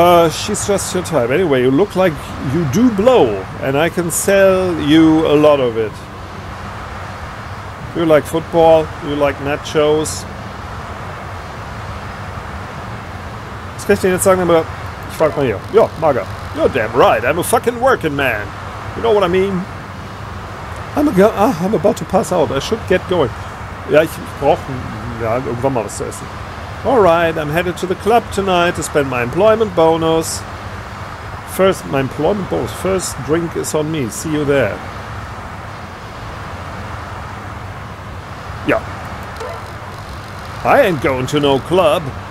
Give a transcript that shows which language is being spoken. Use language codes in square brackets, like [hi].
[en] She's just your type. Anyway, you look like you do blow, and I can sell you a lot of it. You like football, you like nachos. [de] Was kann ich denn jetzt sagen? Aber ich frag mal hier. Ja, Mager. [en] You're damn right, I'm a fucking working man. You know what I mean? I'm about to pass out. I should get going. [de] Ja, ich brauche irgendwann mal was zu essen. [en] Alright, I'm headed to the club tonight to spend my employment bonus. First drink is on me. See you there. Yeah. I ain't going to no club.